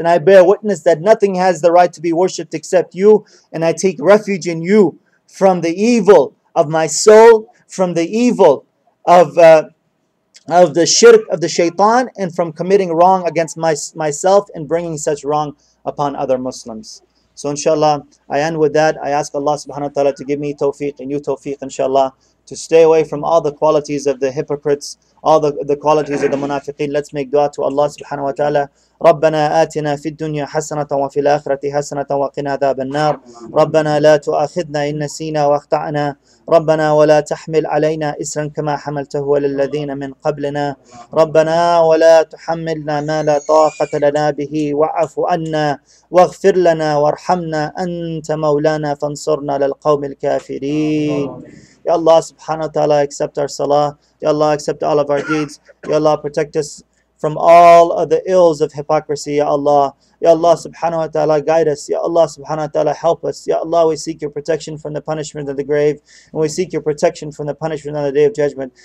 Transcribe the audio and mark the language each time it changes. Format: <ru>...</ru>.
<en>And I bear witness that nothing has the right to be worshipped except you, and I take refuge in you from the evil of my soul, from the evil of the shirk of the shaitan, and from committing wrong against myself and bringing such wrong upon other Muslims. So inshallah, I end with that. I ask Allah subhanahu wa ta'ala to give me tawfiq and you tawfiq inshallah to stay away from all the qualities of the hypocrites, all the qualities of the munafiqeen. Let's make dua to Allah subhanahu wa ta'ala.</en> <ar>ربنا آتنا في الدنيا حسنة وفي الآخرة حسنة وقنا عذاب النار ربنا لا تؤاخذنا إن نسينا وأخطأنا ربنا ولا تحمل علينا إسرا كما حملته على الذين من قبلنا ربنا ولا تحملنا ما لا طاقة لنا به واعف عنا واغفر لنا وارحمنا أنت مولانا فانصرنا للقوم الكافرين.</ar> <en>Ya Allah subhanahu wa ta'ala, accept our salah. Ya Allah, accept all of our deeds. Ya Allah, protect us from all of the ills of hypocrisy, Ya Allah. Ya Allah subhanahu wa ta'ala, guide us. Ya Allah subhanahu wa ta'ala, help us. Ya Allah, we seek your protection from the punishment of the grave. And we seek your protection from the punishment on the day of judgment.</en>